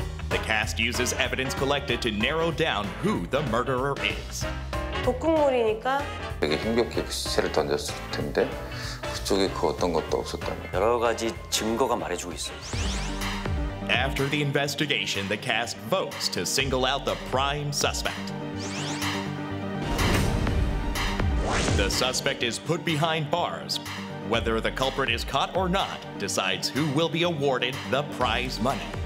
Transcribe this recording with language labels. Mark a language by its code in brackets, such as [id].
[en] The cast uses evidence collected to narrow down who the murderer is. [ko] 독극물이니까. 되게 힘겹게 시체를 던졌을 텐데 그쪽에 그 어떤 것도 없었다면. 여러 가지 증거가 말해주고 있어요. [en] After the investigation, the cast votes to single out the prime suspect. The suspect is put behind bars. Whether the culprit is caught or not decides who will be awarded the prize money.